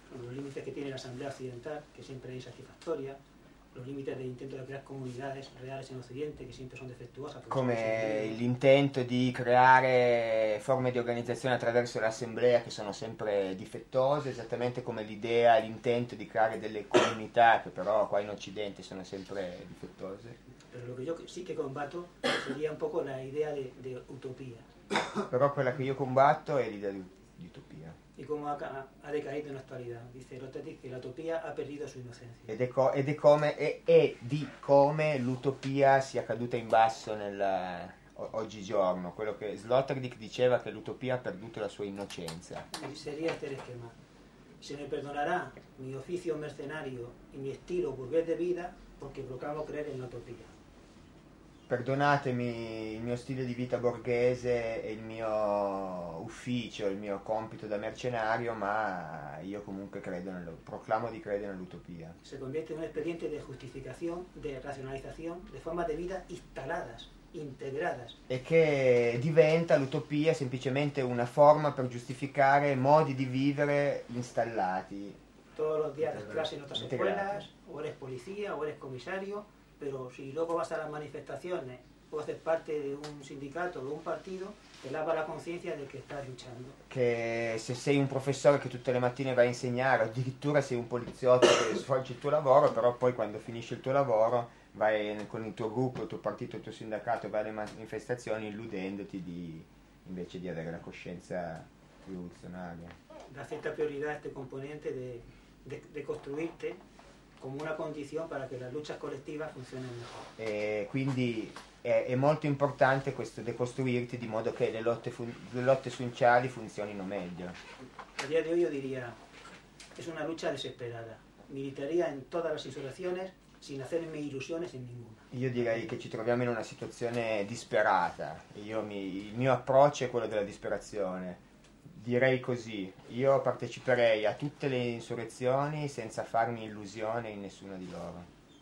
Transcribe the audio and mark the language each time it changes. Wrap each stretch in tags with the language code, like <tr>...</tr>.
<es>Los límites que tiene la asamblea occidental, que siempre es insatisfactoria. Los límites del intento de crear comunidades reales en Occidente, que siempre son defectuosas.</es> <it>Come l'intento di creare forme di organizzazione attraverso l'assemblea, che sono sempre difettose, esattamente come l'idea, l'intento di creare delle comunità, che però qua in Occidente sono sempre difettose.</it> <es>Pero lo que yo sí que combato sería un poco la idea de utopía.</es> <it>Però quella che io combatto è l'idea di utopia.</it> <es>Y cómo ha decaído en la actualidad. Dice Rotetti que la utopía ha perdido su inocencia.</es> <it>Ed è di come l'utopia sia caduta in basso oggigiorno. Quello che Sloterdijk diceva, che l'utopia ha perduto la sua innocenza.</it> <es>Sería este esquema. Se me perdonará mi oficio mercenario y mi estilo burgués de vida porque proclamo creer en la utopía. perdonatemi il mio stile di vita borghese e il mio ufficio, il mio compito da mercenario, ma io comunque credo nello, proclamo di credere nell'utopia. Se convierte</es> <it>in un espediente di giustificazione, di razionalizzazione, di forme di vita</it> <es>instaladas, integradas.</es> <it>E che diventa l'utopia semplicemente una forma per giustificare modi di vivere installati.</it> <es>Todos los días das clases en otras escuelas, o eres policía, o eres comisario, pero si luego vas a las manifestaciones o haces parte de un sindicato o de un partido, te lava la conciencia del que estás luchando.</es> <it>Que se sei un profesore que tutte le mattine va a insegnare, o addirittura sei un poliziotto che svolge il tuo lavoro, però poi quando finisce il tuo lavoro vai con il tuo gruppo, il tuo partito, il tuo sindacato, vai alle manifestazioni illudendoti di invece di avere la coscienza rivoluzionaria.</it> <es>Da cierta prioridad a este componente de construirte como una condición para que las luchas colectivas funcionen mejor.</es> <it>E quindi è molto importante questo decostruirti di modo che le lotte sociali funzionino meglio.</it> <es>A día de hoy yo diría, es una lucha desesperada. Militaría en todas las situaciones sin hacerme ilusiones en ninguna.</es> <it>Io direi che ci troviamo in una situazione disperata. Il mio approccio è quello della disperazione. Direi così, io parteciperei a tutte le insurrezioni senza farmi illusione in nessuna di loro.</it>